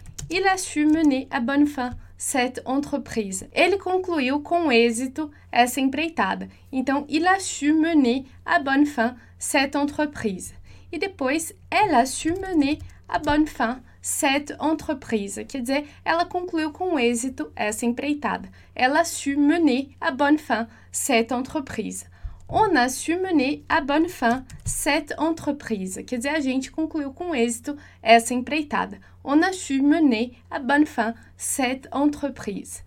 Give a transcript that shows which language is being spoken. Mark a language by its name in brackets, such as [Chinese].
[French] Il a su mener à bonne fin cette entreprise. [Portuguese] Ele concluiu com êxito essa empreitada. [French] Então, il a su mener à bonne fin cette entreprise. [Portuguese] E depois, [French] elle a su mener à bonne fin cette entreprise. [Portuguese] Quer dizer, ela concluiu com êxito essa empreitada. [French] Elle a su mener à bonne fin cette entreprise. On a su mener à bonne fin cette entreprise. [Portuguese] Quer dizer, a gente concluiu com êxito essa empreitada. [French] On a su mener à bonne fin cette entreprise.